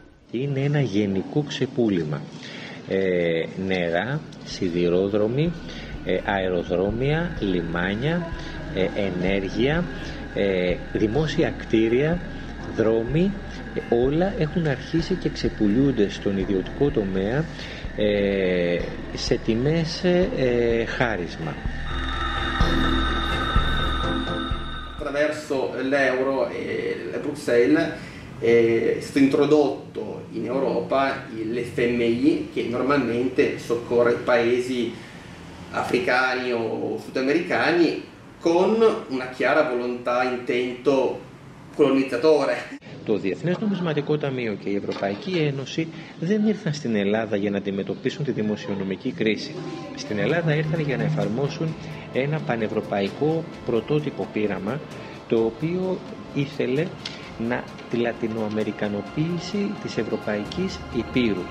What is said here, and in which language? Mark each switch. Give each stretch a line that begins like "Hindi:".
Greek: Είναι ένα γενικό ξεπούλημα. Νερά, σιδηρόδρομοι, αεροδρόμια, λιμάνια, ενέργεια, δημόσια κτίρια, δρόμοι, όλα έχουν αρχίσει και ξεπουλούνται στον ιδιωτικό τομέα σε τιμές χάρισμα.
Italian: Attraverso l'euro e le Bruxelles è stato introdotto in Europa l'FMI, che normalmente soccorre i paesi africani o sudamericani, con una chiara volontà, intento colonizzatore.
Greek: Το Διεθνές Νομισματικό Ταμείο και η Ευρωπαϊκή Ένωση δεν ήρθαν στην Ελλάδα για να αντιμετωπίσουν τη δημοσιονομική κρίση. Στην Ελλάδα ήρθαν για να εφαρμόσουν ένα πανευρωπαϊκό πρωτότυπο πείραμα, το οποίο ήθελε να τη λατινοαμερικανοποίηση της Ευρωπαϊκής Υπήρου.